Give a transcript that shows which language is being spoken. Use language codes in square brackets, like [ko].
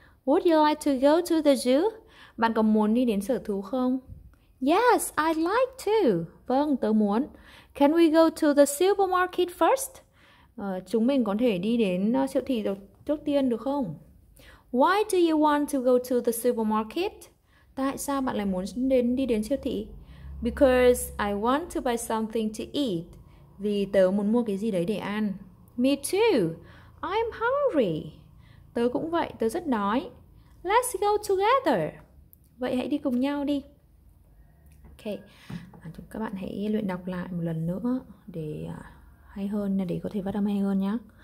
[en] Would you like to go to the zoo? [vi] Bạn có muốn đi đến sở thú không? [en] Yes, I'd like to. [vi] Vâng, tớ muốn. [en] Can we go to the supermarket first? [vi] Chúng mình có thể đi đến siêu thị trước tiên được không? [en] Why do you want to go to the supermarket? [vi] Tại sao bạn lại muốn đi đến siêu thị? [en] Because I want to buy something to eat. [vi] Vì tớ muốn mua cái gì đấy để ăn. [en] Me too. I'm hungry. [vi] Tớ cũng vậy, tớ rất đói. [en] Let's go together. [vi] Vậy hãy đi cùng nhau đi. Ok, các bạn hãy luyện đọc lại một lần nữa để hay hơn, để có thể bắt âm hay hơn nhé.